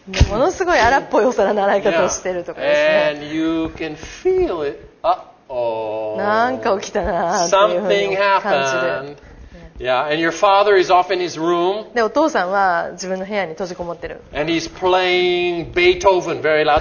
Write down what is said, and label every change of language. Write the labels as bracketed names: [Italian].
[Japanese] ものすごい荒っぽいお皿の洗い方をしてるとかですね。 [English] And you can feel it. [Japanese] なんか起きたなっていうふうに感じる。 [English] Something happened. Yeah, and your father is off in his room. [Japanese] で、お父さんは自分の部屋に閉じこもってる。 [English] And he's playing Beethoven very loud.